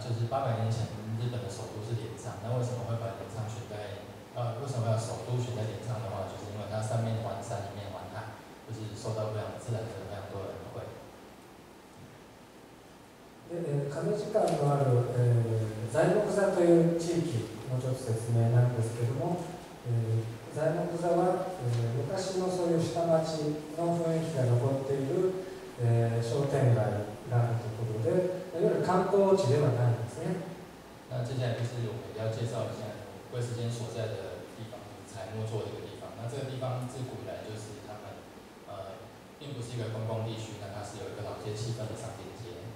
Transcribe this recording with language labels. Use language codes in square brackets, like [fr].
[zh] 那就是800年前日本的首都是镰仓，那为什么会把镰仓选在为什么要首都选在镰仓的话，就是因为它三面环山，里面环海，就是受到非常自然的非常多的恩惠。 [ja] で、亀時間のある、材木座という地域のちょっと説明なんですけども、材木座は、昔のそういう下町の雰囲気が残っている、商店街があるところで、いわゆる観光地ではないんですね。 [zh] 那接下来就是我们要介绍一下贵司监所在的地方，材木座这个地方。那这个地方自古以来就是他们并不是一个观光地区，那它是有一个老街气氛的商店街。